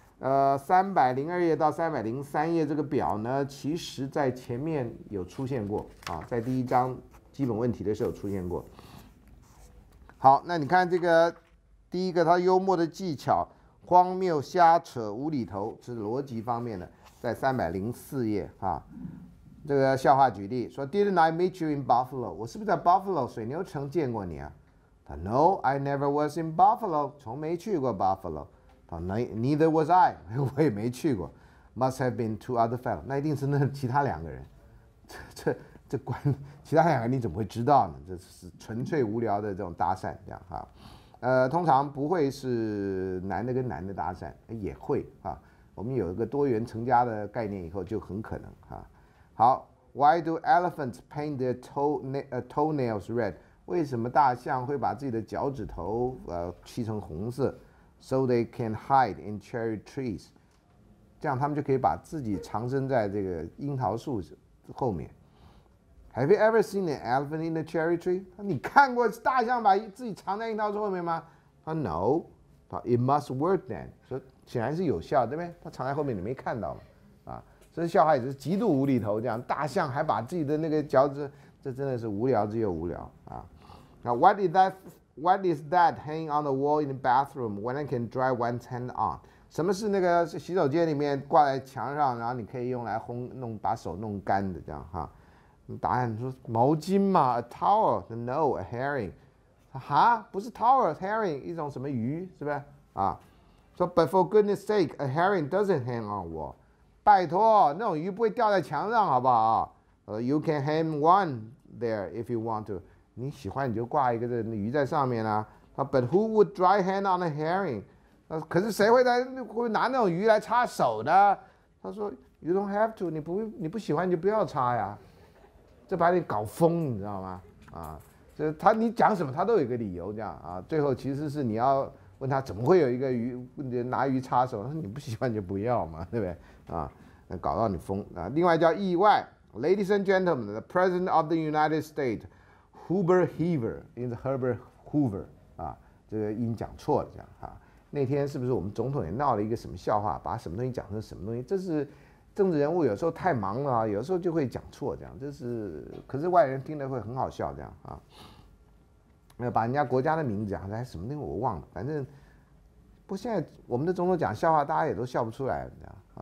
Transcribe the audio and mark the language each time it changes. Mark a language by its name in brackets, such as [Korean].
[Chinese] 302页到303页这个表呢，其实在前面有出现过啊，在第一章基本问题的时候出现过。好，那你看这个第一个，他幽默的技巧，荒谬瞎扯无厘头，是逻辑方面的，在304页啊。这个笑话举例说 [English] ，Didn't I meet you in Buffalo？ [Chinese] 我是不是在 Buffalo 水牛城见过你啊？ [English] 他 No， I never was in Buffalo， [Chinese] 从没去过 [English] Buffalo。他 Neither was I， [Chinese] 我也没去过。 [English] Must have been two other fellows， [Chinese] 那一定是那其他两个人。这关其他两个你怎么会知道呢？这是纯粹无聊的这种搭讪，这样哈。通常不会是男的跟男的搭讪，也会啊。我们有一个多元成家的概念以后，就很可能啊。 [English] 好 ，Why do elephants paint their toenails red？ [Chinese] 为什么大象会把自己的脚趾头漆成红色 ？ [English] So they can hide in cherry trees， [Chinese] 这样他们就可以把自己藏身在这个樱桃树后面。 [English] Have you ever seen an elephant in a cherry tree？ [Chinese] 你看过大象把自己藏在樱桃树后面吗？他 No， 他 [English] It must work then， [Chinese] 说显然是有效，对不对？他藏在后面，你没看到吗？这笑话也是极度无厘头，这样大象还把自己的那个脚趾，这真的是无聊之又无聊啊。 [English] 那 What is that hanging on the wall in the bathroom when I can dry one's hand on？ [Chinese] 什么是那个洗手间里面挂在墙上，然后你可以用来烘弄把手弄干的，这样哈、啊？答案说毛巾嘛 ， [English] a towel。No， a herring。 [Chinese] 哈，不是 towel，herring 一种什么鱼是不是啊？ [English] 说、so, But for goodness sake， a herring doesn't hang on the wall。 [Chinese] 拜托，那种鱼不会掉在墙上，好不好？ [English] You can hang one there if you want to。 [Chinese] 你喜欢你就挂一个这鱼在上面啦、啊。 [English] But who would dry hand on a herring？ [Chinese] 可是谁会拿那种鱼来擦手呢？他说 ， [English] You don't have to， [Chinese] 你不喜欢你就不要擦呀。这把你搞疯，你知道吗？啊，这他你讲什么他都有一个理由，这样啊，最后其实是你要问他怎么会有一个鱼拿鱼擦手，你不喜欢就不要嘛，对不对？啊，搞到你疯啊！另外叫意外 [English] ，Ladies and gentlemen, the President of the United States, Hubert Hoover is Herbert Hoover 啊， [Chinese] 这个音讲错了，这样啊。那天是不是我们总统也闹了一个什么笑话，把什么东西讲成什么东西？这是政治人物有时候太忙了啊，有时候就会讲错，这样这是，可是外人听得会很好笑，这样啊。把人家国家的名字讲来什么东西我忘了，反正不过现在我们的总统讲笑话，大家也都笑不出来，这样。